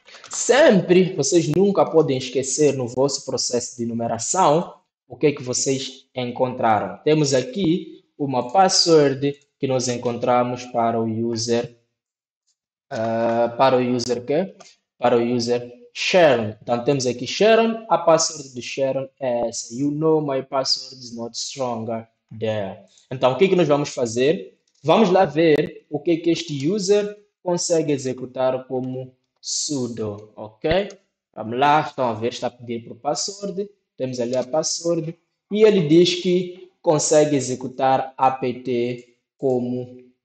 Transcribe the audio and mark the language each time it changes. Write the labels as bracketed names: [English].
[Portuguese] Sempre, vocês nunca podem esquecer no vosso processo de numeração o que é que vocês encontraram. Temos aqui uma password que nós encontramos para o user. Para o user quê? Para o user Sharon. Então temos aqui Sharon. A password de Sharon é essa. [English] You know my password is not stronger there. [Portuguese] Então o que é que nós vamos fazer? Vamos lá ver o que é que este user consegue executar como sudo. Ok? Vamos lá. Estão a ver, está a pedir por password. Temos ali a password. E ele diz que consegue executar apt como.